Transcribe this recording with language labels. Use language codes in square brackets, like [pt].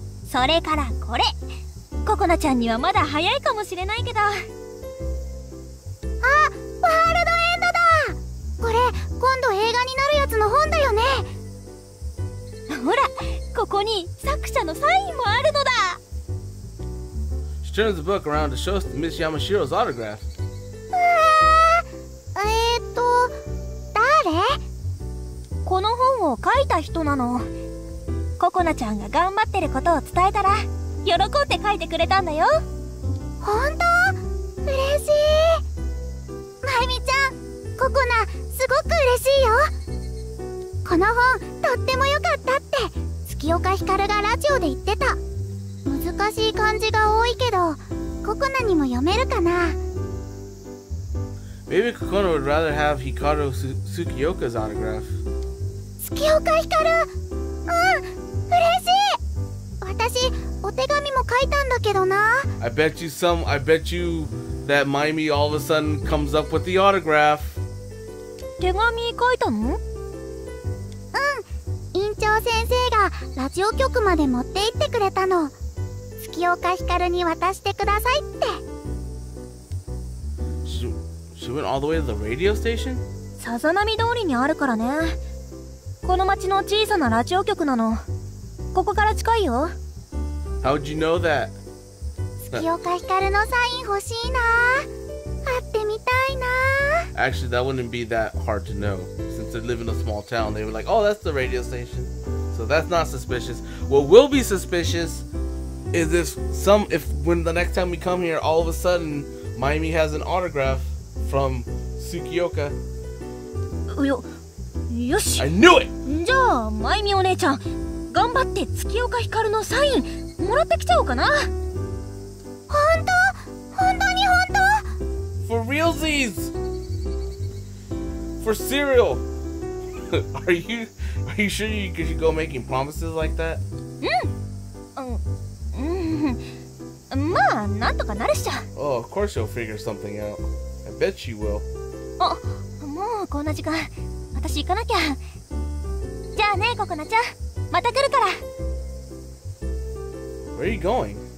[ja] それからこれ。ココナちゃんにはまだ早いかもしれないけど。あ、ワールドエンドだ。これ今度映画になるやつの本だよね。ほら、ここに作者のサインもあるのだ。 [en] She turns the book around to show us Miss Yamashiro's autograph. [ja] この本を書いた人なの。ココナちゃんが頑張ってることを伝えたら喜んで書いてくれたんだよ。本当？嬉しい。マイミちゃん、ココナすごく嬉しいよ。この本とっても良かったって月岡ひかるがラジオで言ってた。難しい漢字が多いけど、ココナにも読めるかな。 [en] Maybe Kokona would rather have Hikaru Tsukioka's autograph. [ja] 月岡ひかる、うん、嬉しい。私、お手紙も書いたんだけどな。 [en] I bet you that Maimi all of a sudden comes up with the autograph. [ja] 手紙書いたの？うん、院長先生がラジオ局まで持って行ってくれたの。月岡ひかるに渡してくださいって。 [en] She went all the way to the radio station? [ja] さざ波通りにあるからね。この町の小さなラジオ局なの。ここから近いよ。 [en] How would you know that? [ja] 月岡ひかるのサイン欲しいな。会ってみたいな。 [en] Actually, that wouldn't be that hard to know. Since they live in a small town, they were like, oh, that's the radio station. So that's not suspicious. What will be suspicious... Is if some, if when the next time we come here, all of a sudden, Maimi has an autograph from Tsukioka. [ja] Yoshi! [en] I knew it! [ja] じゃあ、Maimi お姉ちゃん、頑張って Tsukioka Hikaru のサイン、もらってきちゃおうかな。本当？本当に本当？ [en] For realsies! For cereal! Are you sure you could go making promises like that? [ja] まあ、なんとかなるっしょ。 [en] Oh, of course you'll figure something out. I bet she will. [ja] あ、もうこんな時間。私行かなきゃ。じゃあね、ココナちゃん。また来るから。 [en] Where are you going?